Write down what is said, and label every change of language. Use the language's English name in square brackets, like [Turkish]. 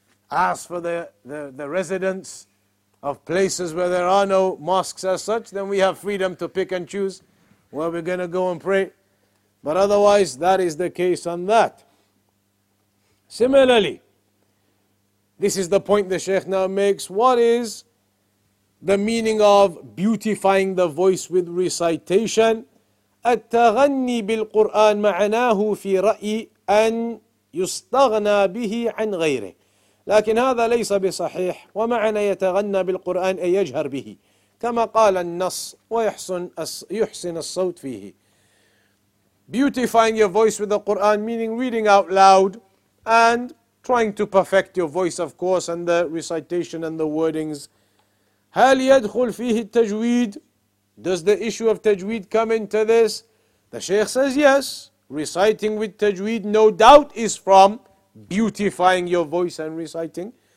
[English] Ask for the residents of places where there are no mosques as such, then we have freedom to pick and choose where we're going to go and pray. But otherwise, that is the case on that. Similarly, this is the point the Shaykh now makes. What is the meaning of beautifying the voice with recitation? [Arabic] التغني بالقرآن معناه في رأي أن يستغنى به عن غيره. لكن هذا ليس بصحيح ومعنى يتغنى بالقرآن أي يجهر به كما قال النص ويحسن الصوت فيه. [English] Beautifying your voice with the Quran, meaning reading out loud and trying to perfect your voice, of course, and the recitation and the wordings. [Arabic] هل يدخل فيه التجويد؟ [English] Does the issue of tajweed come into this? The Shaykh says yes. Reciting with tajweed, no doubt, is from beautifying your voice and reciting.